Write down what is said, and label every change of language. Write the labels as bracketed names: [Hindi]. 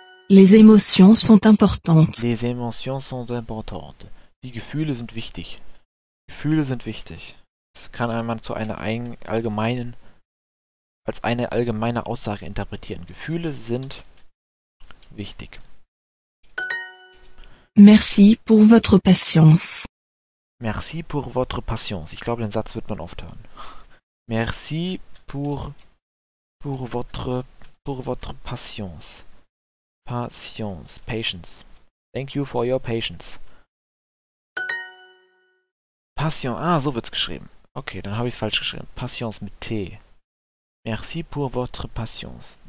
[French] Les émotions sont importantes. Les émotions sont importantes. [German] Die Gefühle sind wichtig. Gefühle sind wichtig. Es kann man zu einer allgemeinen, als eine allgemeine Aussage interpretieren. Gefühle sind wichtig. [French] Merci pour votre patience. Merci pour votre patience. [German] Ich glaube, den Satz wird man oft hören. [French] Merci pour votre patience. Patience. Patience. [English] Thank you for your patience. [French] Passion. [German] Ah, so wird's geschrieben. Okay, dann habe ich es falsch geschrieben. Patience mit T. [French] Merci pour votre patience.